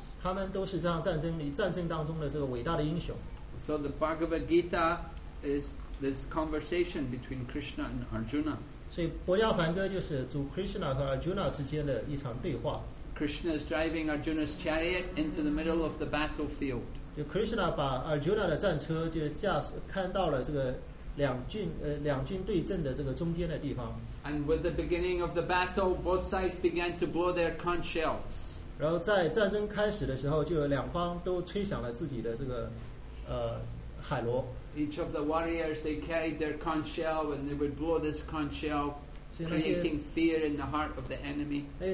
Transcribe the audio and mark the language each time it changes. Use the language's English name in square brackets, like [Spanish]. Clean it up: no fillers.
[Chinese] 他们都是这样战争当中的这个伟大的英雄。 [English] So the Bhagavad Gita is this conversation between Krishna and Arjuna. [Chinese] 所以伯利亚梵歌就是主 Krishna 和 Arjuna 之间的一场对话。 [English] Krishna is driving Arjuna's chariot into the middle of the battlefield. [Chinese] 就 Krishna 把 Arjuna 的战车就驾驶看到了这个两军对阵的这个中间的地方。 [English] And with the beginning of the battle, both sides began to blow their conch shells. [Chinese] 然后在战争开始的时候，就两方都吹响了自己的这个海螺。 [English] Each of the warriors, they carried their conch shell, and they would blow this conch shell, creating fear in the heart of the enemy.